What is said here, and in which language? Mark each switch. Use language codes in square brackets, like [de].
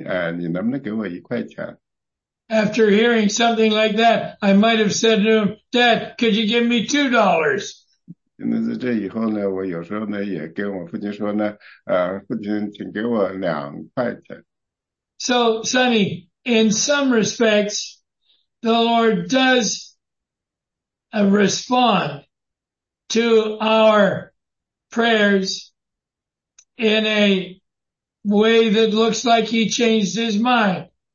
[zh] 现在我还是个小男孩似的，那我有时候跟我父亲说呢，父亲，你能不能给我一块钱？ [en] After hearing something like that, I might have said to him, Dad, could you give me $2? [zh] 那在这以后呢，我有时候呢也跟我父亲说呢，父亲，请给我2块钱。 [en] So, Sonny, in some respects, the Lord does respond to our prayers in a way that looks like he changed his mind.